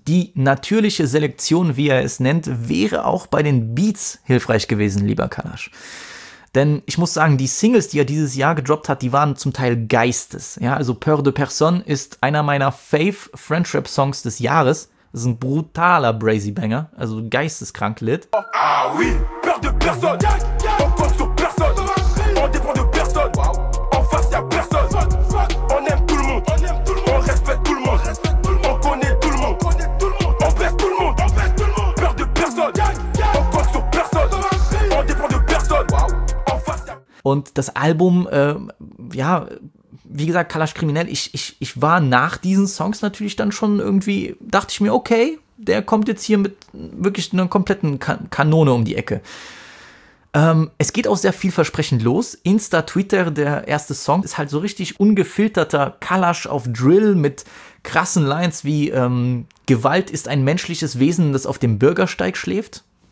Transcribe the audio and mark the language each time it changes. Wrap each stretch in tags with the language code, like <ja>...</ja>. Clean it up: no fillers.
<de>Die natürliche Selektion, wie er es nennt, wäre auch bei den Beats hilfreich gewesen, lieber Kalash. Denn ich muss sagen, die Singles, die er dieses Jahr gedroppt hat, die waren zum Teil geistes. Ja, also Peur de Personne ist einer meiner Fave French Rap Songs des Jahres. Das ist ein brutaler Brazy Banger, also geisteskrank Lit.</de> <fr>Ah oui, Peur de Personne, yeah, yeah. On compte sur personne, on dépend de personne, wow. En face y'a personne, fuck, fuck. On aime tout le monde, on aime tout le monde, on respecte tout le monde, on connaît tout le monde, on baisse tout le monde, on baisse tout le monde, Peur de Personne, yeah, yeah. On compte sur personne, on dépend de personne, wow. En face y'a.</fr> <de>Und das Album, ja. Wie gesagt, Kalash Kriminell, ich war nach diesen Songs natürlich dann schon irgendwie, dachte ich mir, okay, der kommt jetzt hier mit wirklich einer kompletten Kanone um die Ecke. Es geht auch sehr vielversprechend los. Insta, Twitter, der erste Song, ist halt so richtig ungefilterter Kalash auf Drill mit krassen Lines wie Gewalt ist ein menschliches Wesen, das auf dem Bürgersteig schläft.</de>